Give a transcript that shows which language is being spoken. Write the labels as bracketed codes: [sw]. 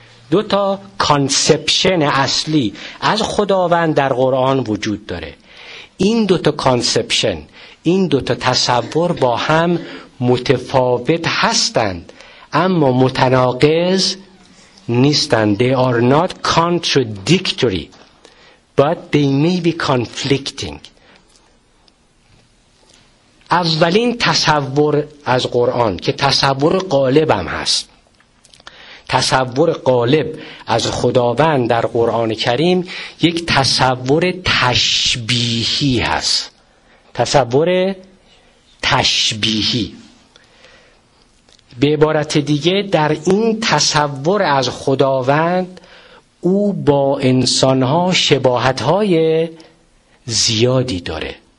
[fa] دو تا کانسپشن اصلی از خداوند در قرآن وجود داره. این دو تا کانسپشن، این دو تا تصور با هم متفاوت هستند اما متناقض نیستند. [en] They are not contradictory but they may be conflicting. [fa] اولین تصور از قرآن که تصور غالبم هست، تصور غالب از خداوند در قرآن کریم یک تصور تشبیهی هست. تصور تشبیهی، به عبارت دیگه در این تصور از خداوند او با انسانها شباهتهای زیادی داره.